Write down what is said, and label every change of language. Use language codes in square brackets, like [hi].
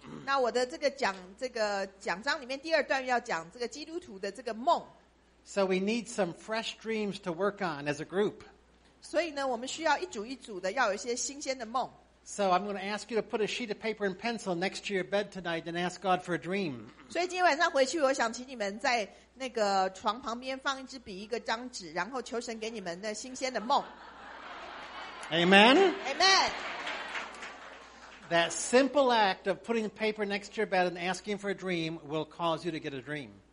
[zh] 那我的这个讲章里面第二段要讲这个基督徒的这个梦。 [en] So we need some fresh dreams to work on as a group. [zh] 所以呢，我们需要一组一组的要有一些新鲜的梦。 [en] So I'm going to ask you to put a sheet of paper and pencil next to your bed tonight and ask God for a dream. [zh] 所以今天晚上回去，我想请你们在那个床旁边放一支笔、一个张纸，然后求神给你们的新鲜的梦。 [en] Amen. Amen. That simple act of putting paper next to your bed and asking for a dream will cause you to get a dream.